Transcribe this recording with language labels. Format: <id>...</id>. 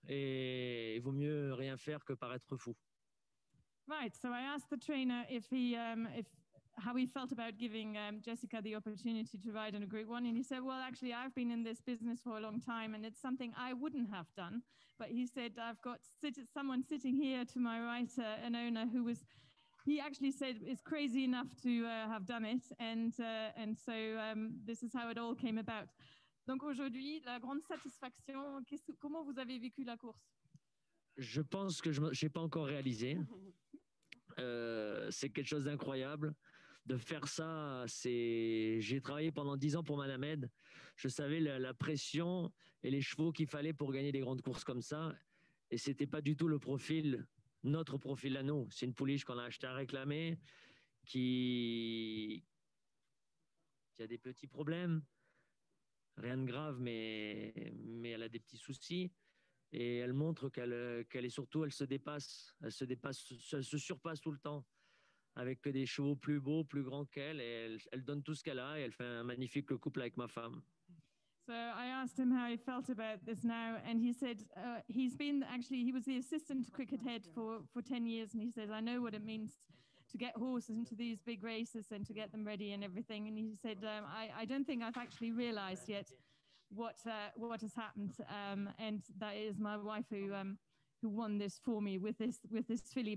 <fr>Et il vaut mieux rien faire que paraître fou.</fr> <en>Right. So, I asked the trainer if he... how he felt about giving Jessica the opportunity to ride in a Group 1. And he said, well, actually, I've been in this business for a long time and it's something I wouldn't have done. But he said, I've got someone sitting here to my right, an owner who was, he actually said, is crazy enough to have done it. And so this is how it all came about.</en> <fr>Donc aujourd'hui, la grande satisfaction, comment vous avez vécu la course? Je pense que je n'ai pas encore réalisé. C'est quelque chose d'incroyable. De faire ça, j'ai travaillé pendant 10 ans pour Manamed. Je savais la pression et les chevaux qu'il fallait pour gagner des grandes courses comme ça. Et ce n'était pas du tout le profil, notre profil à nous. C'est une pouliche qu'on a acheté à réclamer, qui a des petits problèmes. Rien de grave, mais elle a des petits soucis. Et elle montre qu'elle est surtout, elle se dépasse. Elle se surpasse tout le temps. Avec des chevaux plus beaux, plus grands qu'elle, et elle donne tout ce qu'elle a et elle fait un magnifique couple avec ma femme.</fr> <en>So I asked him how he felt about this now, and he said he was the assistant cricket head for 10 years, and he says I know what it means to get horses into these big races and to get them ready and everything, and he said I don't think I've actually realized yet what has happened, and that is my wife who won this for me with this filly.</en>